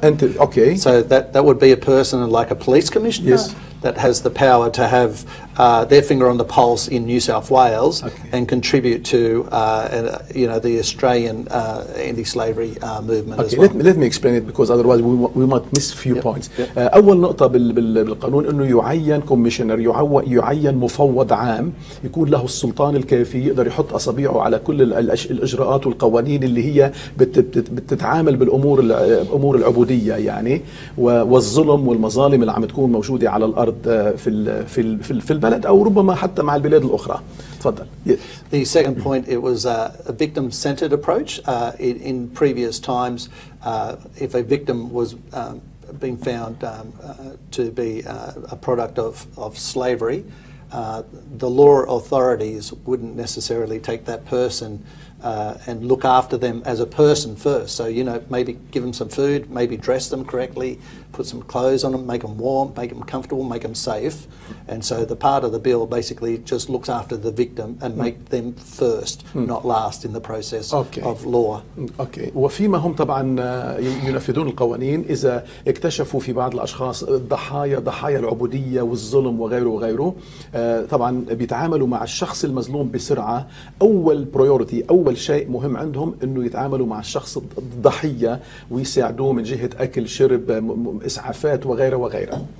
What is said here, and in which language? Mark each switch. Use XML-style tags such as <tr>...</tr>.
<en>Okay. So that would be a person like a police commissioner. Yes. That has the power to have their finger on the pulse in New South Wales. Okay. And contribute to the Australian anti-slavery movement. Okay, as well. Let me explain it, because otherwise we might miss a few points. Yep.</en> <ar>اول نقطة بالقانون انه يعين كوميشنر يعين مفوض عام يكون له السلطان الكافي يقدر يحط اصابعه على كل الاجراءات والقوانين اللي هي بتتعامل بالامور العبودية يعني والظلم والمظالم اللي عم تكون موجودة على الارض في في في, في البلد او ربما حتى مع البلاد الاخرى.</ar> <en>Yes. The second point, it was a victim-centered approach. In previous times, if a victim was being found to be a product of slavery, the law authorities wouldn't necessarily take that person and look after them as a person first. So, you know, maybe give them some food, maybe dress them correctly, put some clothes on them, make them warm, make them comfortable, make them safe. And so the part of the bill basically just looks after the victim and make them first, not last in the process of law. Okay.</en> <ar>وفيما هم طبعا ينفذون القوانين إذا اكتشفوا في بعض الأشخاص ضحايا العبودية والظلم وغيره. طبعا بيتعاملوا مع الشخص المظلوم بسرعة. أول priority, أول شيء مهم عندهم إنه يتعاملوا مع الشخص الضحية ويساعدوه من جهة أكل شرب إسعافات وغيره.</ar>